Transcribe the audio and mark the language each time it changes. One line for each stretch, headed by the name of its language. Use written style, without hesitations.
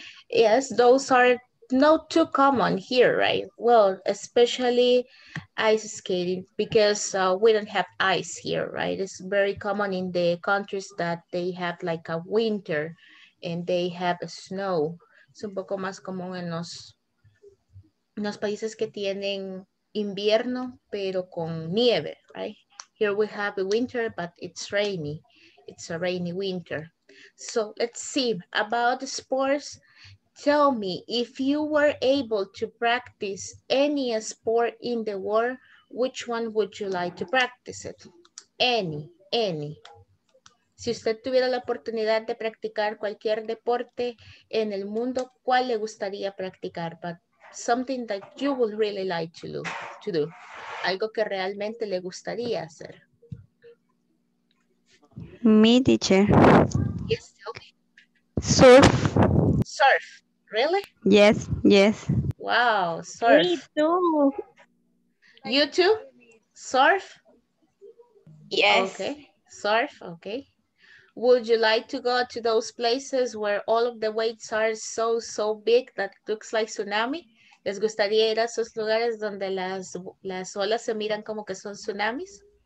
English: Yes, those are not too common here, right? Well, especially ice skating, because we don't have ice here, right? It's very common in the countries that they have like a winter and they have a snow.
Spanish: Es un poco más común en los países que tienen invierno, pero con nieve, right?
English: Here we have a winter, but it's rainy. It's a rainy winter. So let's see about sports. Tell me, if you were able to practice any sport in the world, which one would you like to practice it? Any.
Spanish: Si usted tuviera la oportunidad de practicar cualquier deporte en el mundo, ¿cuál le gustaría practicar?
English: But something that you would really like to do.
Spanish: Algo que realmente le gustaría hacer.
English: Me, teacher. Yes, tell me. Surf. Surf, really? Yes, yes. Wow, surf. Me too. You too? Surf? Yes. Okay, surf, okay. Would you like to go to those places where all of the waves are so, so big that looks like tsunami?
Spanish: ¿Les gustaría ir a esos lugares donde las olas se miran como que son tsunamis?